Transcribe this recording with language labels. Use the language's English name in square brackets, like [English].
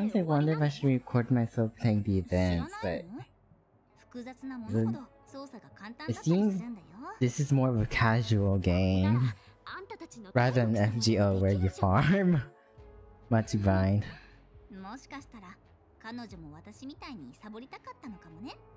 [English] Sometimes I wonder if I should record myself playing the events, but [Japanese] 複雑なものほど操作が簡単だったりするんだよ。 [English] It seems this is more of a casual game. Rather than FGO where you farm much grind. [Japanese] もしかしたら彼女も私みたいにサボりたかったのかもね。